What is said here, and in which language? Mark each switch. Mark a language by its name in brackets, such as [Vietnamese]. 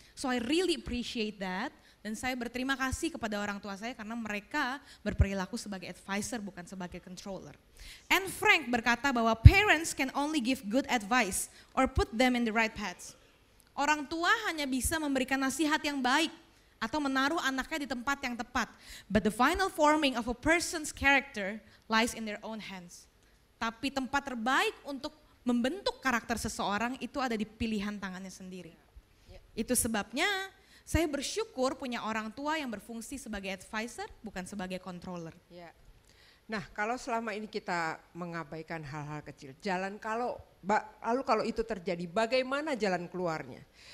[English] So I really appreciate that. [Indonesian] Dan saya berterima kasih kepada orang tua saya karena mereka berperilaku sebagai advisor, bukan sebagai controller. [English] Anne Frank [Indonesian] berkata bahwa [English] parents can only give good advice or put them in the right paths. [Indonesian] Orang tua hanya bisa memberikan nasihat yang baik atau menaruh anaknya di tempat yang tepat. [English] But the final forming of a person's character lies in their own hands. [Indonesian] Tapi tempat terbaik untuk membentuk karakter seseorang itu ada di pilihan tangannya sendiri. Itu sebabnya saya bersyukur punya orang tua yang berfungsi sebagai advisor, bukan sebagai controller. Ya. Nah, kalau selama ini kita mengabaikan hal-hal kecil, lalu kalau itu terjadi, bagaimana jalan keluarnya?